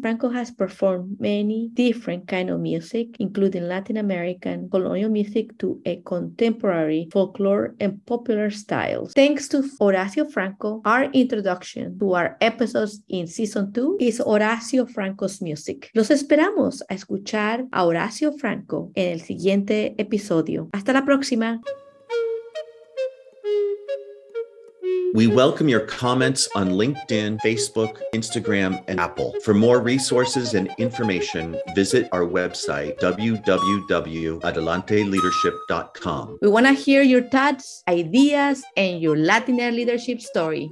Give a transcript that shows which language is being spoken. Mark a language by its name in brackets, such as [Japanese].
[English] Franco has performed many different kind of music, including Latin American colonial music to a contemporary folklore and popular styles. Thanks to Horacio Franco, our introduction to our episodes in season 2 is Horacio Franco's music. [Spanish] Los esperamos a escuchar a Horacio Franco en el siguiente episodio. Hasta la próxima. [English] We welcome your comments on LinkedIn, Facebook, Instagram, and Apple. For more resources and information, visit our website, www.adelanteleadership.com. We want to hear your thoughts, ideas, and your Latina leadership story.